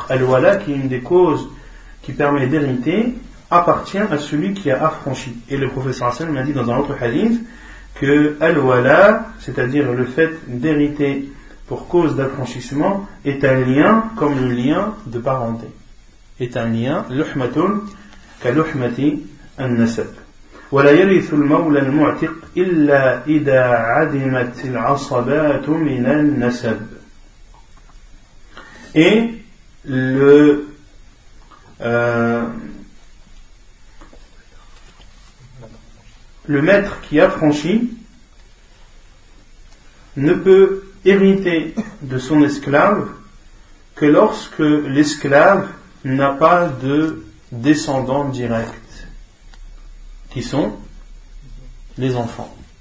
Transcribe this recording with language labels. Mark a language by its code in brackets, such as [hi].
[fr] Al-wala, qui est une des causes qui permet d'hériter, appartient à celui qui a affranchi. Et le prophète m'a dit dans un autre hadith que al-wala, c'est-à-dire le fait d'hériter pour cause d'affranchissement, est un lien comme le lien de parenté. Est un lien, [ar] luhmatun ka luhmati an-nasab. ولا يرث المولى المعتق إلا إذا عدمت العصبات من النسب. [fr] Et le maître qui a franchi ne peut hériter de son esclave que lorsque l'esclave n'a pas de descendant direct, qui sont les enfants.